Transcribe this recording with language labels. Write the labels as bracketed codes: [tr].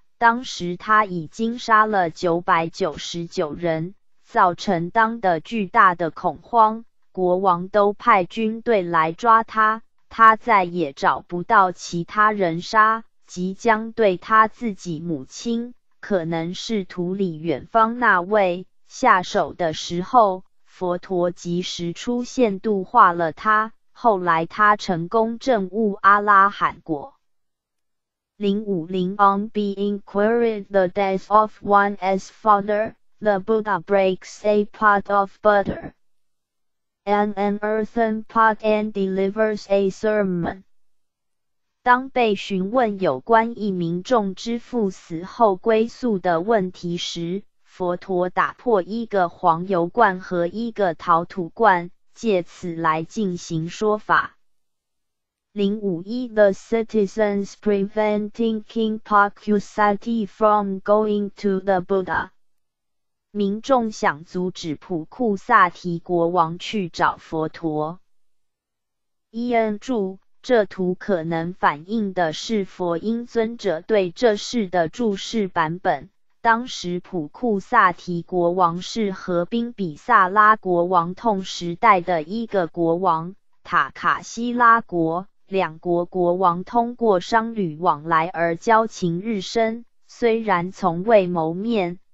[zh] 当时他已经杀了999人，造成当地巨大的恐慌，国王都派军队来抓他，他再也找不到其他人杀，即将对他自己母亲，可能是土里远方那位下手的时候，佛陀及时出现度化了他，后来他成功证悟阿拉罕果。 [en] 050 On being queried the death of one's father, the Buddha breaks a pot of butter and an earthen pot and delivers a sermon. [zh] 当被询问有关一名众之父死后归宿的问题时，佛陀打破一个黄油罐和一个陶土罐，借此来进行说法。 [en] 051 The citizens preventing King Pakusati from going to the Buddha. [zh] 民众想阻止普库萨提国王去找佛陀。伊恩注：这图可能反映的是佛音尊者对这事的注释版本。当时普库萨提国王是合兵比萨拉国王统时代的一个国王，塔卡西拉国，两国国王通过商旅往来而交情日深，虽然从未谋面。